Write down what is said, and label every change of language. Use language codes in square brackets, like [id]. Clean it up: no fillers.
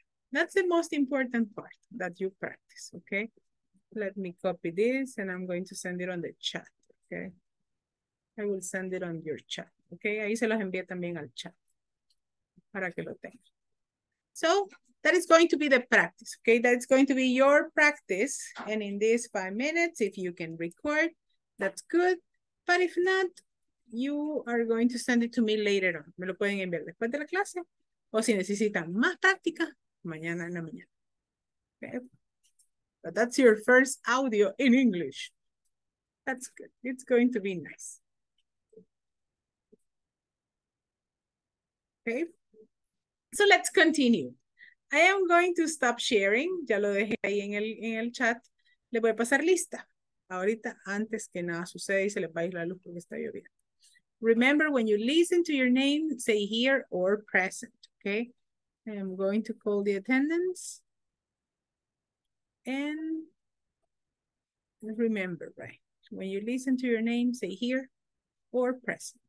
[en] That's the most important part, that you practice, okay? Let me copy this and I'm going to send it on the chat, okay? I will send it on your chat, okay? [es] Ahí se los envié también al chat para que lo tengan. [en] So, that is going to be the practice, okay? That's going to be your practice. And in these 5 minutes, if you can record, that's good. But if not, you are going to send it to me later on. [es] Me lo pueden enviar después de la clase. O si necesitan más práctica, mañana en la mañana. [en] Okay? But that's your first audio in English. That's good. It's going to be nice. Okay? So let's continue. I am going to stop sharing. [es] Ya lo dejé ahí en el chat. Le voy a pasar lista. Ahorita, antes que nada suceda y se les va a ir la luz porque está lloviendo. [en] Remember, when you listen to your name, say here or present, okay? I am going to call the attendance. And remember, right? When you listen to your name, say here or present.